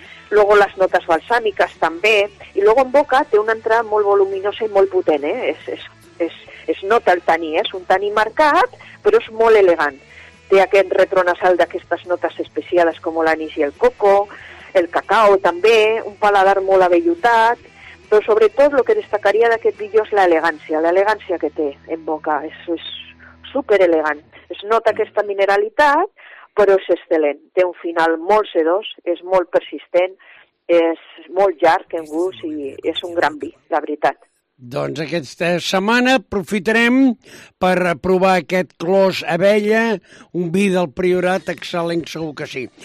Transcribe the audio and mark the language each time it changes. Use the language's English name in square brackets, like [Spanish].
[Spanish] Luego las notas balsámicas [Catalan] també, i [Spanish] luego [Catalan] en boca té una entrada molt voluminosa i molt potent, eh? Es nota el taní, és un taní marcat, però és molt elegant. Té aquest retronasal d'aquestes notes especials com l'anís i el coco, el cacao també, un paladar molt avellutat, [Spanish] Pero sobre todo lo que destacaría de aquel pillo es la elegancia que té en boca, es súper elegant. [Catalan] Es nota aquesta mineralitat, però és excel·lent. Té un final molt sedós, és molt persistent, és molt llarg en gust i és un gran vi, la veritat. Doncs aquesta setmana aprofitarem per provar aquest Clos Abella, un vi del Priorat excel·lent, segur que sí.